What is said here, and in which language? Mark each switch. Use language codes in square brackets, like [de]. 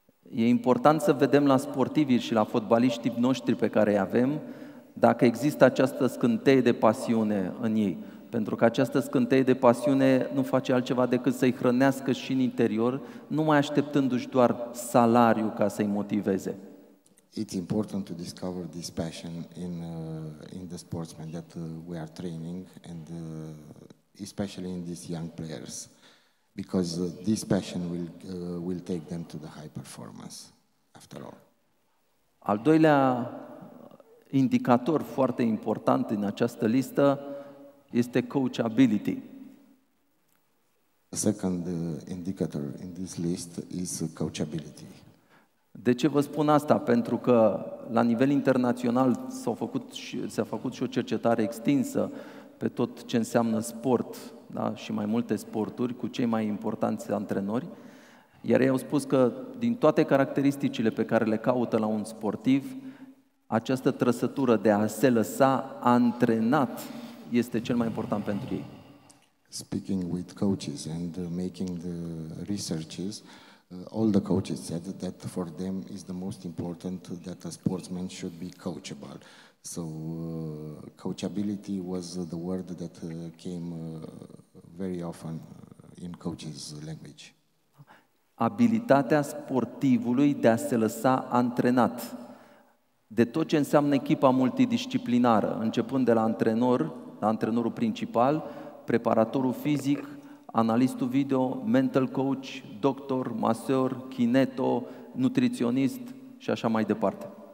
[ro] E important să vedem la sportivii și la fotbaliștii noștri pe care îi avem dacă există această scânteie de pasiune în ei. Pentru că această scânteie de pasiune nu face altceva decât să-i hrănească și în interior, numai așteptându-și doar salariu ca să-i motiveze. [en] It's important to discover this passion in the sportsmen that we are training, and especially in these young players, because this passion will take them to the high performance, after all. [ro] Al doilea indicator foarte important în această listă este coachability. [en] A second indicator in this list is coachability. [ro] De ce vă spun asta? Pentru că la nivel internațional s-a făcut și o cercetare extinsă pe tot ce înseamnă sport, da, și mai multe sporturi cu cei mai importanți antrenori, iar ei au spus că din toate caracteristicile pe care le caută la un sportiv, această trăsătură de a se lăsa antrenat este cel mai important pentru ei. [en] Speaking with coaches and making the researches, all the coaches said that for them is the most important that a sportsman should be coachable. So coachability was the word that came very often in coaches' language. [ro] Abilitatea sportivului de a se lăsa antrenat. De tot ce înseamnă echipa multidisciplinară, începând de la antrenor, la antrenorul principal, preparatorul fizic, analistul video, mental coach, doctor, masseur, kineto, nutriționist și așa mai departe.